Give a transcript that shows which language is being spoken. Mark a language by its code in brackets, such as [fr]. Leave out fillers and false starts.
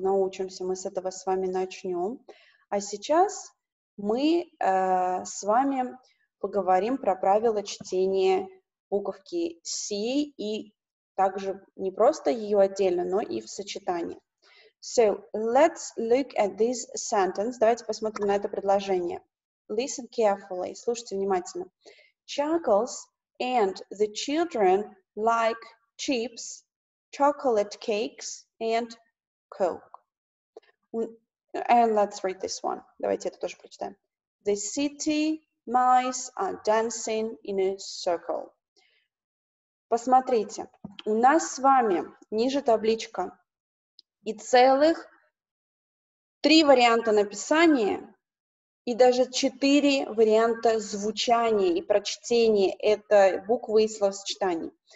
[ru] Научимся мы с этого с вами начнем. А сейчас мы с вами поговорим про правила чтения буковки C и также не просто ее отдельно, но и в сочетании. [en] So, let's look at this sentence. [ru] Давайте посмотрим на это предложение. [en] Listen carefully. [ru] Слушайте внимательно. [en] Chuckles and the children like chips, chocolate cakes and coke. And let's read this one. [ru] Давайте это тоже прочитаем. [en] The city mice are dancing in a circle. [ru] Посмотрите, у нас с вами ниже табличка и целых три варианта написания и даже четыре варианта звучания и прочтения этой буквы и словосочетаний.